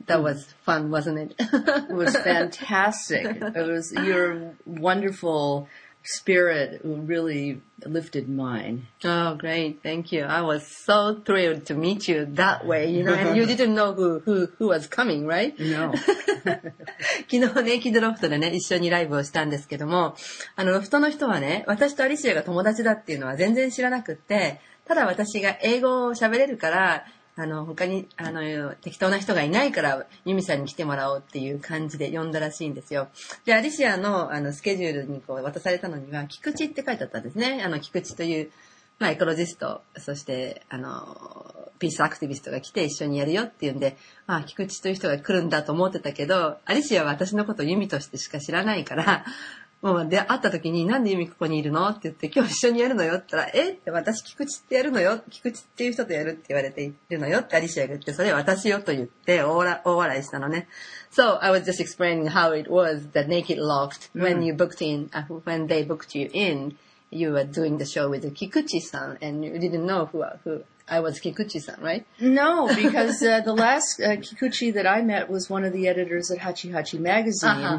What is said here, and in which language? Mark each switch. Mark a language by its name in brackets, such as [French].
[English] That was fun, wasn't it? It was fantastic. You're wonderful. Spirit really lifted mine. Oh, great. Thank you. I was so thrilled to meet you that way. You know, and you didn't know who was coming, right? No. [Japanese] 昨日ネイキッドロフトでね、一緒にライブをしたんですけども、ロフトの人はね、私とアリシアが友達だっていうのは全然知らなくって、ただ私が英語を喋れるから、他に、適当な人がいないから、ユミさんに来てもらおうっていう感じで呼んだらしいんですよ。で、アリシアの、スケジュールにこう渡されたのには、菊池って書いてあったんですね。菊池という、まあ、エコロジスト、そして、ピースアクティビストが来て一緒にやるよっていうんで、まあ、菊池という人が来るんだと思ってたけど、アリシアは私のことをユミとしてしか知らないから、もう出会った時になんでユミここにいるのって言って今日一緒にやるのよって言ったら、え、私菊池ってやるのよ、菊池っていう人とやるって言われているのよってアリシアが言って、それ私よと言って大笑いしたのね。 [English] So I was just explaining how it was the Naked Loft when you booked in、when they booked you in, you were doing the show with Kikuchi-san and you didn't know who I was Kikuchi-san, right? No, because the last Kikuchi that I met was one of the editors at Hachi Hachi Magazine、uh-huh.